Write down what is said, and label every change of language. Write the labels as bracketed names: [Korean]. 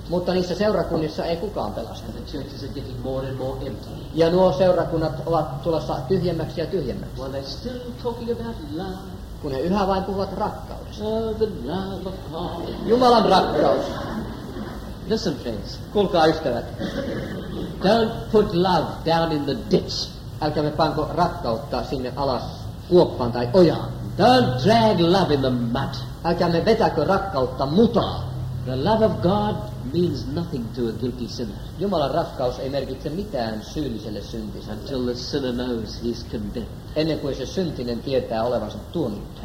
[Finnish] Mutta niissä seurakunnissa ei kukaan pelastu. [English] And the churches are getting more and more empty. [Finnish] Ja nuo seurakunnat ovat tulossa tyhjemmäksi ja tyhjemmäksi. [English] While they're still talking about love. [Finnish] Kun he yhä vain puhuvat rakkaudesta. [English] Oh, the love of God. [Finnish] Jumalan rakkaus. [English] Listen, friends. [Finnish] Kuulkaa, ystävät. [English] Don't put love down in the ditch. [Finnish] Älkäämme panko rakkautta sinne alas kuoppaan tai ojaan. [English] Don't drag love in the mud. [Finnish] Älkäämme vetäkö rakkautta mutaa. [English] The love of God means nothing to a guilty sinner. [Finnish] Jumalan rakkaus ei merkitse mitään syylliselle syntiselle. [English] Until the sinner knows he's condemned. [Finnish] Ennen kuin se syntinen tietää olevansa tuomittu.